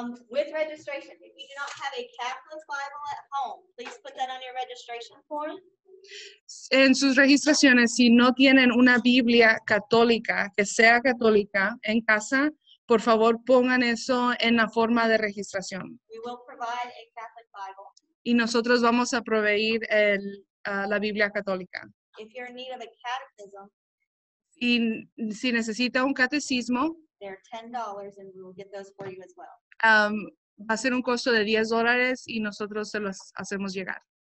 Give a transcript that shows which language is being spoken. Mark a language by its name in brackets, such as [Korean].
[English] With registration, if you do not have a Catholic Bible at home, please put that on your registration form. [Spanish] En sus registraciones, si no tienen una Biblia católica, que sea católica, en casa, por favor pongan eso en la forma de registración. [English] We will provide a Catholic Bible. [Spanish] Y nosotros vamos a proveer la Biblia católica. [English] If you're in need of a catechism, [Spanish] y si necesita un catecismo, [English] they're $10 and we'll get those for you as well. [Spanish] Va a ser un costo de $10 y nosotros se los hacemos llegar.